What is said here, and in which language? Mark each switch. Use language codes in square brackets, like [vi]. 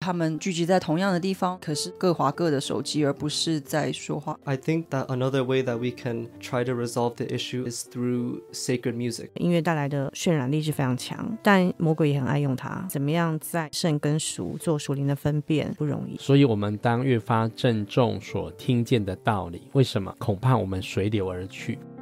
[zh] 他们聚集在同样的地方，可是各划各的手机，而不是在说话。 [en] I think that another way that we can try to resolve the issue is through sacred music. [zh] 音乐带来的渲染力是非常强，但魔鬼也很爱用它。怎么样在圣跟俗做属灵的分辨不容易。所以我们当越发郑重所听见的道理，为什么？恐怕我们随流而去。